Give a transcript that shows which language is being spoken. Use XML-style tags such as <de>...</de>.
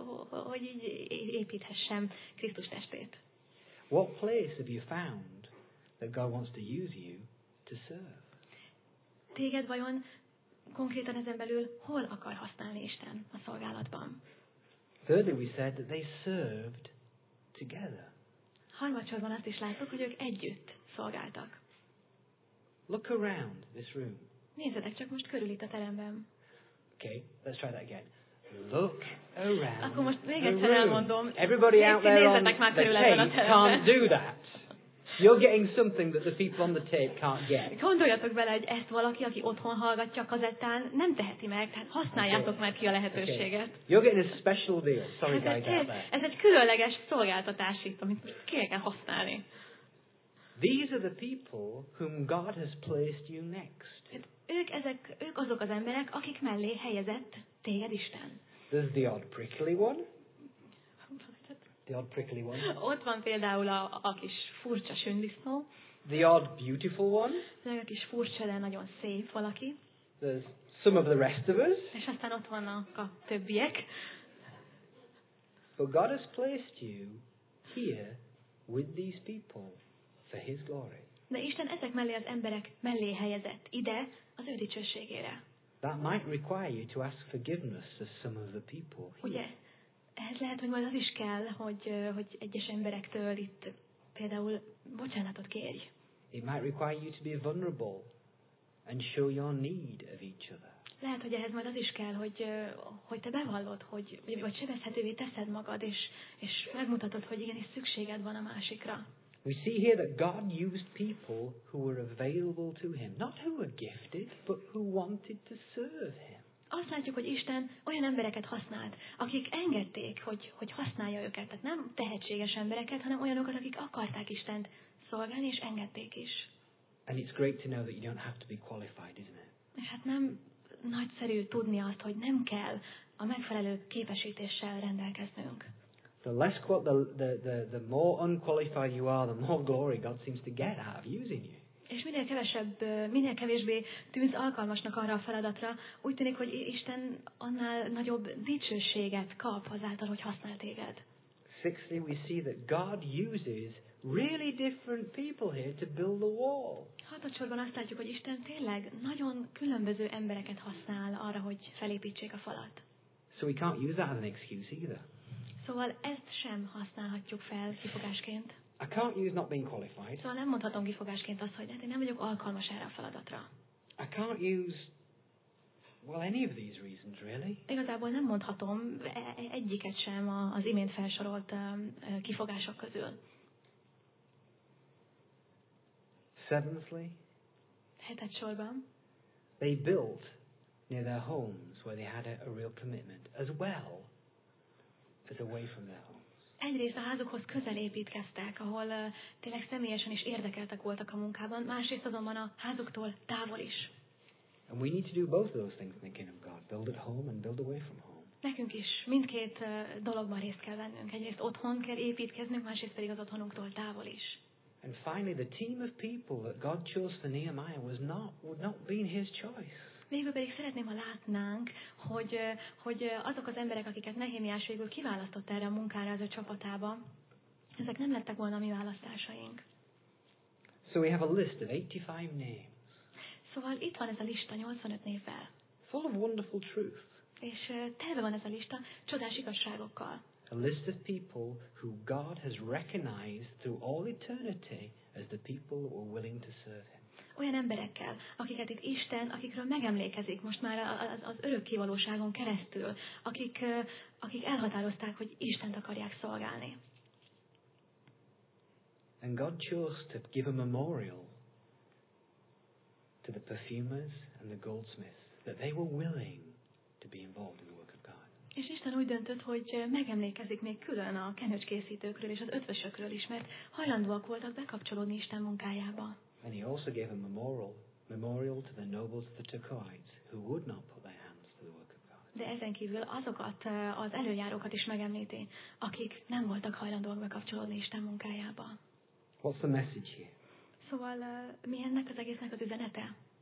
<hu>Hogy így építhessem Krisztus testét.</hu> <en>What place have you found that God wants to use you to serve?</en> <hu>Téged vajon konkrétan ezen belül hol akar használni Isten a szolgálatban?</hu> <en>Thirdly, we said that they served together.</en> <hu>Harmadsorban azt is láttuk, hogy ők együtt szolgáltak.</hu> <en>Look around this room.</en> <hu>Nézzetek csak most körül itt a teremben.</hu> <en>Okay, let's try that again. Look around.</en> <hu>Akkor most még egyszer elmondom.</hu> <en>Everybody out there on the tape can't do that. You're getting something that the people on the tape can't get.</en> <hu>Gondoljatok bele, hogy ezt valaki, aki otthon hallgatja a kazettán, nem teheti meg, tehát használjátok okay. Már ki a lehetőséget.</hu> <en>Okay. You're getting a special deal. Sorry, guys, out there.</en> <hu>Ez egy különleges szolgáltatás itt, amit most ki kell használni.</hu> <en>These are the people whom God has placed you next.</en> <hu>Ők azok az emberek, akik mellé helyezett téged Isten.</hu> <en>There's the odd prickly one. The odd prickly one.</en> <hu>Ott van például a kis furcsa sündisznó.</hu> <en>The odd beautiful one.</en> <hu>A kis furcsa, de nagyon szép valaki.</hu> <en>There's some of the rest of us.</en> <hu>És aztán ott vannak a többiek.</hu> <en>But God has placed you here with these people for His glory.</en> <hu>De Isten ezek mellé az emberek mellé helyezett ide az ő dicsőségére.</hu> <en>That might require you to ask forgiveness of some of the people here.</en> <hu>Ugye? Ez lehet, hogy majd az is kell, hogy egyes emberektől itt például bocsánatot kérj.</hu> <en>It might require you to be vulnerable and show your need of each other.</en> <hu>Lehet, hogy ehhez majd az is kell, hogy te bevallod, hogy sebezhetővé teszed magad, és megmutatod, hogy igenis szükséged van a másikra.</hu> <en>We see here that God used people who were available to him. Not who were gifted, but who wanted to serve him.</en> <hu>Azt látjuk, hogy Isten olyan embereket használt, akik engedték, hogy használja őket. Tehát nem tehetséges embereket, hanem olyanokat, akik akarták Istent szolgálni, és engedték is.</hu> <en>And it's great to know that you don't have to be qualified, isn't it?</en> <hu>És hát nem nagyszerű tudni azt, hogy nem kell a megfelelő képesítéssel rendelkeznünk.</hu> <en>The less the more unqualified you are, the more glory God seems to get out of using you.</en> <hu>És minél kevésbé tűnsz alkalmasnak arra a feladatra, úgy tűnik, hogy Isten annál nagyobb dicsőséget kap azáltal, hogy használ téged.</hu> <en>Sixthly, we see that God uses really different people here to build the wall.</en> <hu>Hatodsorban azt látjuk, hogy Isten tényleg nagyon különböző embereket használ arra, hogy felépítsék a falat.</hu> <en>So we can't use that as an excuse either.</en> <hu>Szóval ezt sem használhatjuk fel kifogásként.</hu> <en>I can't use not being qualified.</en> <hu>Szóval nem mondhatom kifogásként azt, hogy hát én nem vagyok alkalmas erre a feladatra.</hu> <en>I can't use any of these reasons really.</en> <hu>Igazából nem mondhatom egyiket sem az imént felsorolt kifogások közül.</hu> <en>Seventhly.</en> <hu>Hetedsorban.</hu> <en>They built near their homes where they had a real commitment as well as away from their home.</en> <hu>Egyrészt a házukhoz közel építkeztek, ahol tényleg személyesen is érdekeltek voltak a munkában, másrészt azonban a házuktól távol is.</hu> <en>And we need to do both of those things in the kingdom of God. Build at home and build away from home.</en> <hu>Nekünk is mindkét dologban részt kell vennünk. Egyrészt otthon kell építkeznünk, másrészt pedig az otthonunktól távol is.</hu> <en>And finally, the team of people that God chose for Nehemiah was not, would not be his choice.</en> <hu>Végül pedig szeretném, ha látnánk, hogy, hogy azok az emberek, akiket Nehémiás végül kiválasztott erre a munkára, az a csapatába, ezek nem lettek volna a mi választásaink.</hu> <en>So we have a list of 85 names.</en> <hu>Szóval itt van ez a lista 85 névvel.</hu> <en>Full of wonderful truth.</en> <hu>És telve van ez a lista csodás igazságokkal.</hu> <en>A list of people who God has recognized through all eternity as the people who are willing to serve him.</en> <hu>Olyan emberekkel, akiket itt Isten, akikről megemlékezik most már az örökkévalóságon keresztül, akik elhatározták, hogy Istent akarják szolgálni.</hu> <en>And God chose to give a memorial to the perfumers and the goldsmiths, that they were willing to be involved in the work of God.</en> <hu>És Isten úgy döntött, hogy megemlékezik még külön a kenőcskészítőkről és az ötvösökről is, mert hajlandóak voltak bekapcsolódni Isten munkájába.</hu> <en>And he also gave a memorial to the nobles, the Tekoites, who would not put their hands to the work of God.</en> <hu>De ezen kívül azokat az előjárókat is megemlíti, akik nem voltak hajlandóak bekapcsolódni Isten munkájába.</hu> <en>What's the message here?</en> <hu>Szóval mi ennek az egésznek az üzenete?</hu>